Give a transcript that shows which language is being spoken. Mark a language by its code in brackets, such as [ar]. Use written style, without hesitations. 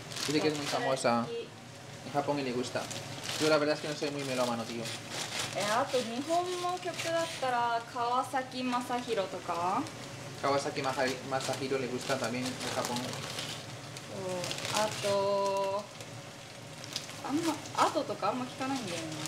[es] Dice que es muy famosa en Japón y le gusta. Yo la verdad es que no soy muy melómano, tío. [ja] あと日本の曲だったら [es] Kawasaki Masahiro [ja] とか [es] Kawasaki Masahiro le gusta también en Japón. [ja] あとあんまあととかあんま聞かないんだよね.